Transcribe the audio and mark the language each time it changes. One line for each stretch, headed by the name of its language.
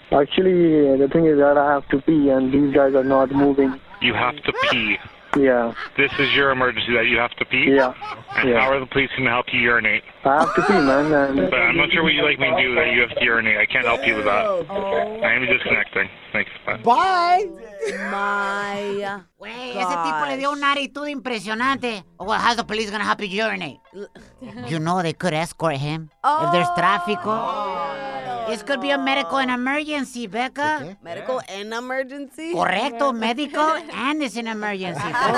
English: Actually, the thing is that I have to pee and these guys are not moving. You have to pee? Yeah. This is your emergency that you have to pee? Yeah. And how are the police going to help you urinate? I have to pee, man. But I'm not sure what you like me to do that you have to urinate. I can't help you with that. Okay. I am disconnecting. Thanks. Bye. My
Spanish: wey, ese tipo le dio una actitud impresionante.
English: Well, how's the police going to help you urinate? You know they could escort him if there's tráfico. This could be a medical and emergency, Becca. Medical and emergency? Correcto, medical and it's an emergency.